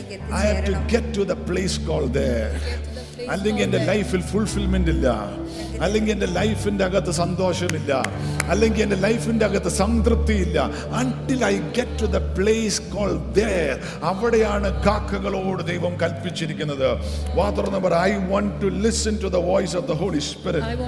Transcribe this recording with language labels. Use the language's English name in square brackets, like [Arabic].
[English] I have to get to the place called there. [Malayalam] അല്ലെങ്കിൽ എന്റെ ലൈഫിൽ ഫുൾഫിൽമെന്റ് ഇല്ല, അല്ലെങ്കിൽ എന്റെ ലൈഫിന്റെ അകത്ത് സന്തോഷമില്ല, അല്ലെങ്കിൽ എന്റെ ലൈഫിന്റെ അകത്ത് സംതൃപ്തി ഇല്ല. [English] Until I get to the place called there, [Malayalam] അവിടെയാണ് കാക്കകളോട് ദൈവം കൽപ്പിച്ചിരിക്കുന്നത്. [English] വാതുറന്നവർ, I want to listen to the voice of the Holy Spirit.